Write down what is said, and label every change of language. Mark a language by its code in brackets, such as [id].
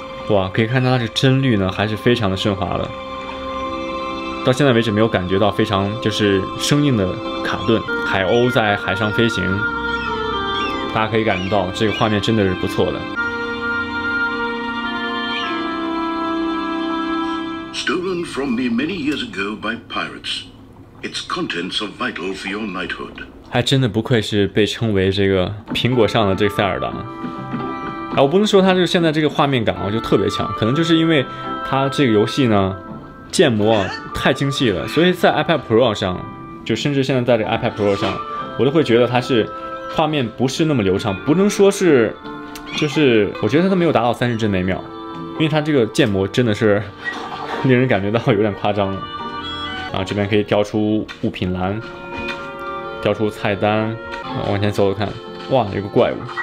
[zh] 哇，可以看到它的帧率呢还是非常的顺滑的，到现在为止没有感觉到非常就是生硬的卡顿。海鸥在海上飞行，大家可以感觉到这个画面真的是不错的。 [en] Stolen from me many years ago by pirates, its contents are vital for your knighthood. [zh] 还真的不愧是被称为这个苹果上的这个塞尔达。啊，我不能说它是现在这个画面感啊就特别强，可能就是因为它这个游戏呢建模太精细了，所以在 iPad Pro 上，就甚至现在在这个 iPad Pro 上，我都会觉得它是画面不是那么流畅，不能说是，就是我觉得它都没有达到30帧每秒，因为它这个建模真的是令人感觉到有点夸张了。啊，这边可以调出物品栏，调出菜单，啊，往前走走看，哇，有个怪物。